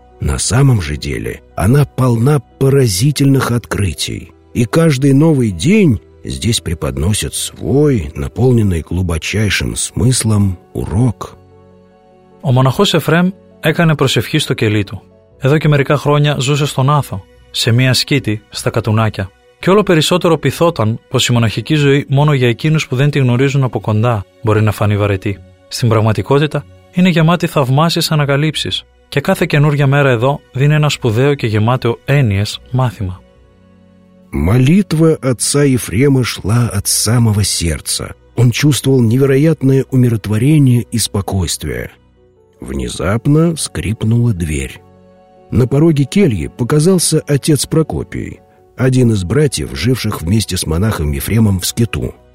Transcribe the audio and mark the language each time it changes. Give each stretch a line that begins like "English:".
Russian: На самом же деле она полна поразительных открытий, и каждый новый день здесь преподносят свой, наполненный глубочайшим смыслом, урок.
Greek: Ο μοναχός Εφρέμ έκανε προσευχή στο κελί του. Εδώ και μερικά χρόνια ζούσε στον Άθο, σε μια σκήτη στα Κατουνάκια. Και όλο περισσότερο πειθόταν πως η μοναχική ζωή μόνο για εκείνους που δεν τη γνωρίζουν από κοντά μπορεί να φανεί βαρετή. Στην πραγματικότητα είναι γεμάτη θαυμάσιες ανακαλύψεις και κάθε καινούργια μέρα εδώ δίνει ένα σπουδαίο και γεμάτο έννοιες μάθημα.
Russian: Молитва отца Ефрема шла от самого сердца. Он чувствовал невероятное умиротворение и спокойствие. Внезапно скрипнула дверь. На пороге кельи показался отец Прокопий, один из братьев, живших вместе с монахом Ефремом в скиту.